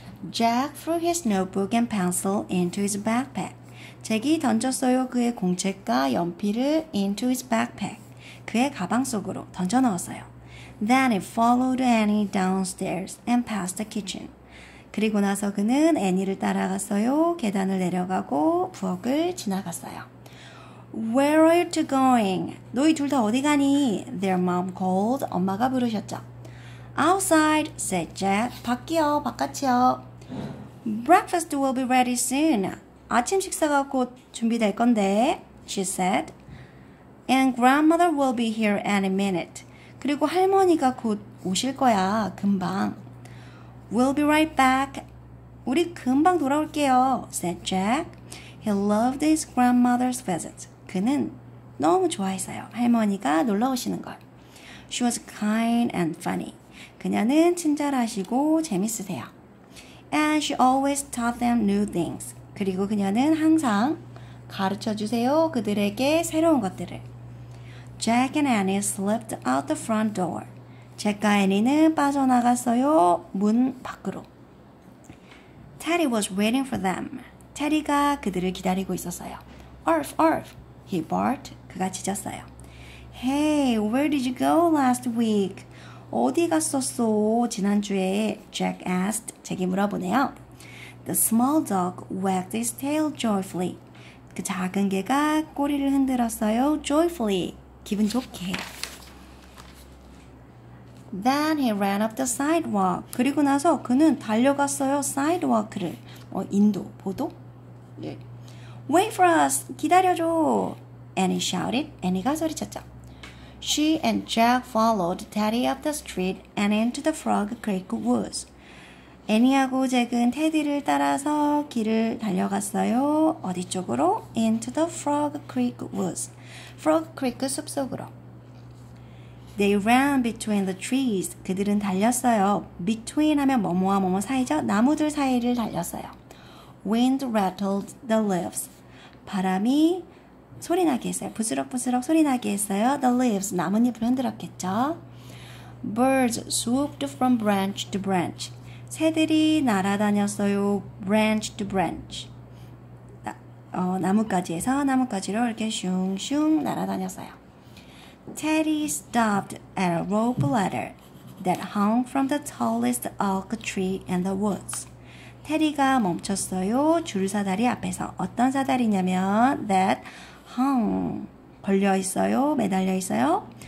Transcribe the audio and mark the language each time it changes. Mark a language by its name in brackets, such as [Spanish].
[English] 잭 threw his notebook and pencil into his backpack. [Korean] 잭이 던졌어요. 그의 공책과 연필을 [English] into his backpack. [Korean] 그의 가방 속으로 던져 넣었어요. [English] Then he followed Annie downstairs and past the kitchen. [Korean] 그리고 나서 그는 애니를 따라갔어요. 계단을 내려가고 부엌을 지나갔어요. [English] Where are you two going? [Korean] 너희 둘 다 어디 가니? [English] Their mom called. [Korean] 엄마가 부르셨죠. [English] Outside, said Jack. [Korean] 밖이요, 바깥이요. [English] Breakfast will be ready soon. [Korean] 아침 식사가 곧 준비될 건데, [English] she said. And grandmother will be here any minute. [Korean] 그리고 할머니가 곧 오실 거야, 금방. [English] We'll be right back. [Korean] 우리 금방 돌아올게요, [English] said Jack. He loved his grandmother's visit. [Korean] 그는 너무 좋아했어요, 할머니가 놀러 오시는 걸. [English] She was kind and funny. [Korean] 그녀는 친절하시고 재밌으세요. [English] And she always taught them new things. [Korean] 그리고 그녀는 항상 가르쳐주세요 그들에게 새로운 것들을. [English] Jack and Annie slipped out the front door. [Korean] 잭과 애니는 빠져나갔어요. 문 밖으로. [English] Teddy was waiting for them. [Korean] 테디가 그들을 기다리고 있었어요. [English] Arf, arf, he barked. [Korean] 그가 짖었어요. [English] Hey, where did you go last week? [Korean] 어디 갔었어? 지난주에 [English] Jack asked. [Korean] 잭이 물어보네요. [English] The small dog wagged his tail joyfully. [Korean] 그 작은 개가 꼬리를 흔들었어요. Joyfully. 기분 좋게. [English] Then he ran up the sidewalk. [Korean] 그리고 나서 그는 달려갔어요. Sidewalk를. 인도, 보도? [English] Wait for us. [Korean] 기다려줘. [English] Annie shouted. [Korean] Annie가 소리쳤죠. [English] She and Jack followed Teddy up the street and into the Frog Creek Woods. [Korean] 애니하고 잭은 테디를 따라서 길을 달려갔어요. 어디 쪽으로? [English] Into the Frog Creek Woods. [Korean] Frog Creek 숲속으로. [English] They ran between the trees. [Korean] 그들은 달렸어요. Between 하면 뭐뭐와 뭐뭐 사이죠? 나무들 사이를 달렸어요. [English] Wind rattled the leaves. [Korean] 바람이 소리나게 했어요. 부스럭부스럭 소리나게 했어요. [English] The leaves, [Korean] 나뭇잎을 흔들었겠죠. [English] Birds swooped from branch to branch. [Korean] 새들이 날아다녔어요. [English] Branch to branch. [Korean] 나뭇가지에서 나뭇가지로 이렇게 슝슝 날아다녔어요. [English] Teddy stopped at a rope ladder that hung from the tallest oak tree in the woods. [Korean] 테디가 멈췄어요. 줄사다리 앞에서. 어떤 사다리냐면 [English] that hung, [Korean] 걸려있어요, 매달려있어요.